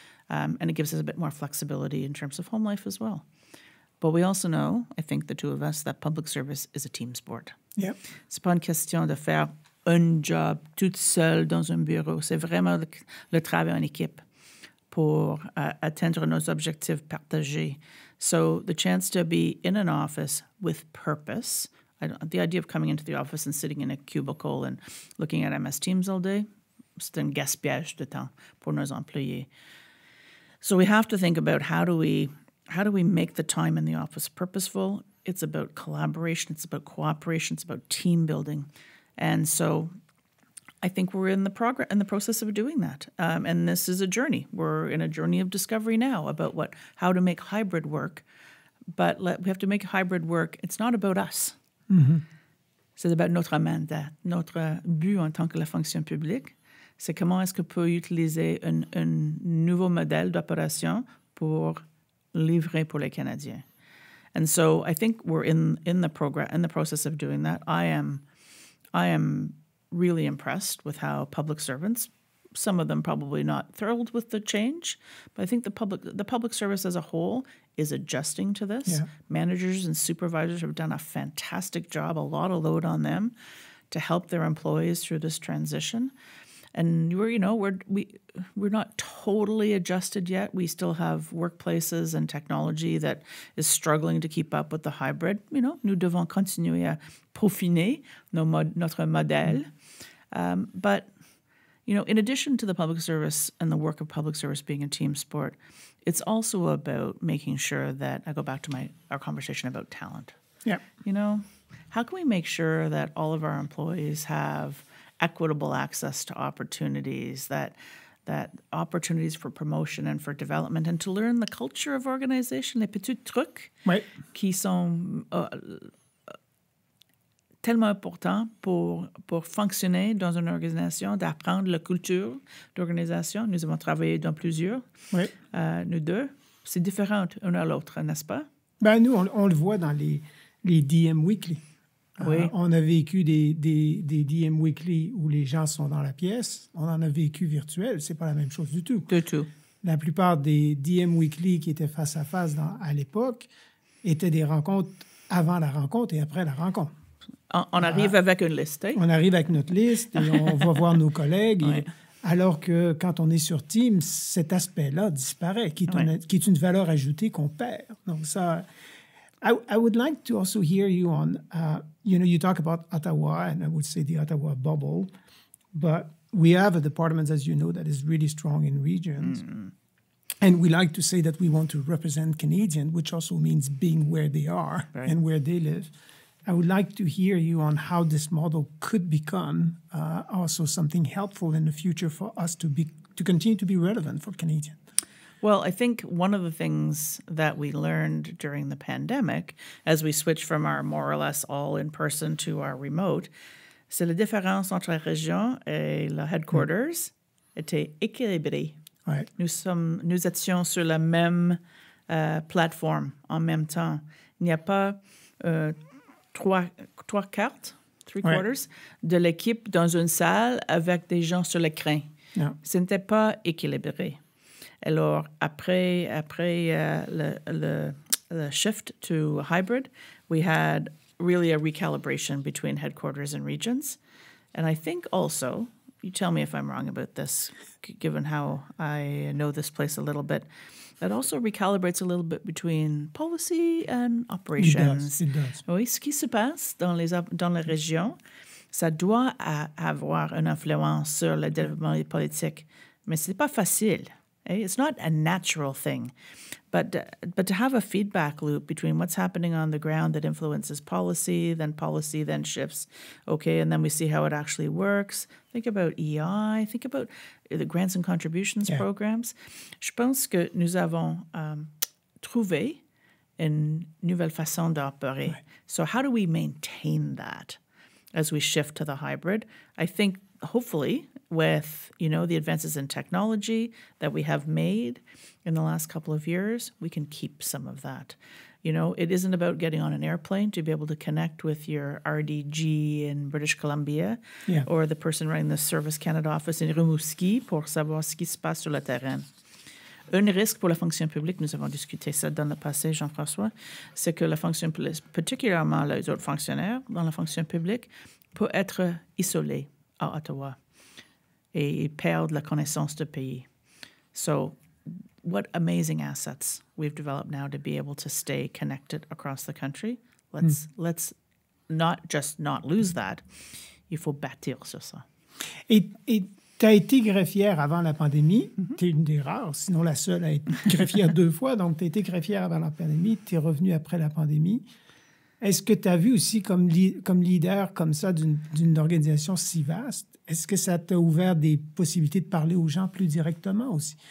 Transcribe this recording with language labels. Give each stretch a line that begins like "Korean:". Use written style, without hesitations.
English: And it gives us a bit more flexibility in terms of home life as well. But we also know, I think the two of us, that public service is a team sport. Yeah.
French: C'est pas une question de faire un job toute seule dans un bureau. C'est vraiment le travail en équipe pour atteindre nos objectifs partagés.
English: So the chance to be in an office with purpose, The idea of coming into the office and sitting in a cubicle and looking at MS Teams all day,
French: c'est un gaspillage de temps pour nos employés.
English: So we have to think about how do we make the time in the office purposeful. It's about collaboration. It's about cooperation. It's about team building. And so I think we're in the process of doing that. And this is a journey. We're in a journey of discovery now about how to make hybrid work. But we have to make hybrid work. It's not about us. Mm-hmm.
French: C'est
English: about
French: notre mandat, notre but en tant que la fonction publique. C'est comment est-ce qu'on peut utiliser un nouveau modèle d'opération pour livrer pour les Canadiens.
English: And so I think we're in the process of doing that. I am really impressed with how public servants, some of them probably not thrilled with the change, but I think the public service as a whole is adjusting to this. Yeah. Managers and supervisors have done a fantastic job, a lot of load on them to help their employees through this transition. And we're not totally adjusted yet. We still have workplaces and technology that is struggling to keep up with the hybrid. You know,
French: nous devons continuer à peaufiner notre modèle. Mm-hmm.
English: But, you know, in addition to the public service and the work of public service being a team sport, it's also about making sure that, I go back to our conversation about talent. Yeah. You know, how can we make sure that all of our employees have equitable access to opportunities, that opportunities for promotion and for development, and to learn the culture of organization,
French: les petits trucs,
English: right,
French: qui sont tellement importants pour fonctionner dans une organisation, d'apprendre la culture d'organisation. Nous avons travaillé dans plusieurs,
English: right.
French: Nous deux. C'est différent l'un à l'autre, n'est-ce pas? Ben, nous, on le voit dans les DM Weekly. Oui. On a vécu des DM Weekly où les gens sont dans la pièce. On en a vécu virtuel. C'est pas la même chose du tout. Du tout. La plupart des DM Weekly qui étaient face à face à l'époque étaient des rencontres avant la rencontre et après la rencontre. On arrive avec une liste. Hein? On arrive avec notre liste et on va voir nos collègues. Ouais. Alors que quand on est sur Teams, cet aspect-là disparaît, qui est une valeur ajoutée qu'on perd. Donc ça.
English: I would like to also hear you on, you know, you talk about Ottawa, and I would say the Ottawa bubble, but we have a department, as you know, that is really strong in regions. Mm. And we like to say that we want to represent Canadians, which also means being where they are, right, and where they live. I would like to hear you on how this model could become also something helpful in the future for us to continue to be relevant for Canadians. Well, I think one of the things that we learned during the pandemic, as we switched from our more or less all in person to our remote,
French: c'est la différence entre la région et la headquarters était équilibrée.
English: Right.
French: Nous étions sur la même plateforme en même temps. Il n'y a pas
English: three quarters
French: de l'équipe dans une salle avec des gens sur l'écran.
English: No.
French: Ce n'était pas équilibré. Alors, après le
English: shift to hybrid, we had really a recalibration between headquarters and regions. And I think also, you tell me if I'm wrong about this, given how I know this place a little bit, that also recalibrates a little bit between policy and operations. It does.
French: Oui, ce qui se passe dans les régions, ça doit avoir une influence sur le développement politique, mais c'est pas facile.
English: It's not a natural thing, but to have a feedback loop between what's happening on the ground that influences policy, then shifts, okay, and then we see how it actually works. Think about EI, think about the grants and contributions programs.
French: Je pense que nous avons trouvé une nouvelle façon d'opérer.
English: Right. So how do we maintain that as we shift to the hybrid? I think hopefully with, you know, the advances in technology that we have made in the last couple of years, we can keep some of that. You know, it isn't about getting on an airplane to be able to connect with your RDG in British Columbia, yeah, or the person running the Service Canada office in Rimouski
French: pour savoir ce qui se passe sur le terrain. Un risque pour la fonction publique, nous avons discuté ça dans le passé, Jean-François, c'est que la fonction publique, particulièrement les autres fonctionnaires dans la fonction publique, peut être isolé à Ottawa et perdre la connaissance du pays.
English: So, what amazing assets we've developed now to be able to stay connected across the country. Let's not just not lose that,
French: il faut bâtir sur ça. Et tu as été greffière avant la pandémie. Mm-hmm. Tu es une des rares, sinon la seule à être greffière deux fois. Donc, tu as été greffière avant la pandémie, tu es revenue après la pandémie. Est-ce que tu as vu aussi comme, comme leader comme ça d'une organisation si vaste, est-ce que ça t'a ouvert des possibilités de parler aux gens plus directement aussi?